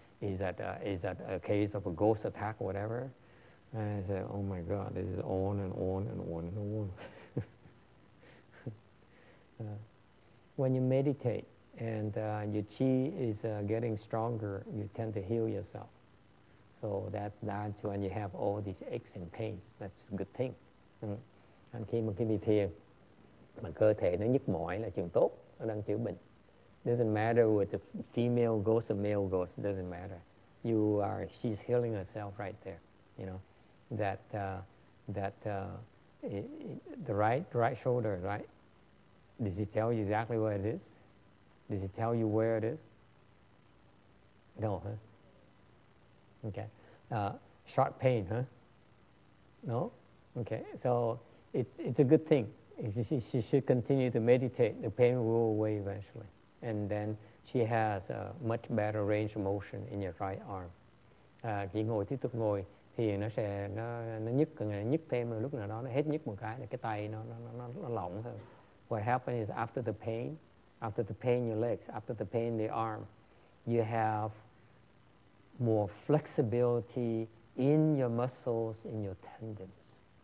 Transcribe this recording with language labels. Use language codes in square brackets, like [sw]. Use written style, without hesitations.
[en] Is that a case of a ghost attack or whatever? And I said, oh my God, this is on and on and on and on. When you meditate and your qi is getting stronger, you tend to heal yourself. So that's when you have all these aches and pains. That's a good thing. Mm. [vi] Khi mà cái thiền mà cơ thể nó nhức mỏi là chuyện tốt, nó đang chữa bệnh. [en] Doesn't matter with the female ghost or male ghost, doesn't matter. You are, she's healing herself right there, you know. The right shoulder, right? Does she tell you exactly where it is? Does she tell you where it is? No, huh? Okay. Sharp pain, huh? No? Okay, so it's a good thing. She should continue to meditate. The pain will go away eventually. And then she has a much better range of motion in your right arm. [vi] Khi ngồi tiếp tục ngồi thì nó nhức càng ngày nhức thêm rồi lúc nào đó nó hết nhức một cái tay nó lỏng hơn. [en] What happens is after the pain in your legs, after the pain in the arm, you have more flexibility in your muscles, in your tendons.